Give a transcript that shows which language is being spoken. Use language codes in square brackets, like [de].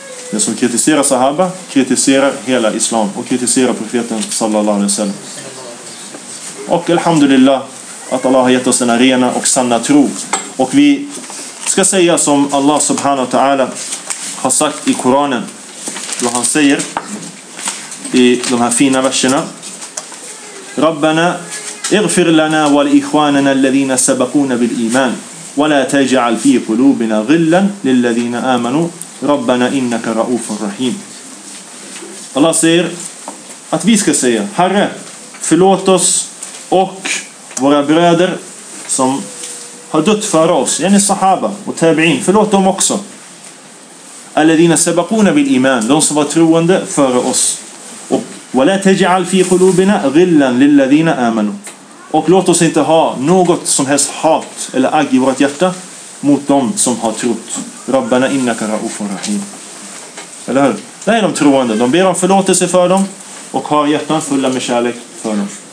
[sv] Den som kritiserar sahaba kritiserar hela islam och kritiserar profeten sallallahu alaihi wasallam. Och alhamdulillah att Allah har gett oss en arena och sanna tro. Och vi ska säga som Allah subhanahu wa ta'ala har sagt i Koranen. Då han säger i de här fina verserna. [ar] Rabbana اغفر لنا والإخواننا الذين سبقونا بالإيمان ولا تجعل في قلوبنا غلا للذين آمنوا ربنا إنك رؤوف رحيم. [sv] Allah säger att vi ska säga Herre, förlåt oss och våra bröder som har dött för oss, yani sahaba och tabi'in, förlåt dem också. [ar] الذين سبقونا بالإيمان, [sv] de som var troende före oss. Och [ar] ولا تجعل في قلوبنا غلا للذين آمنوا. [sv] Och låt oss inte ha något som helst hat eller agg i vårt hjärta mot dem som har trott. [ar] Rabbana innaka ra'ufur rahim. [sv] Eller hur? Det är de troende. De ber om förlåtelse för dem och har hjärtan fulla med kärlek för dem.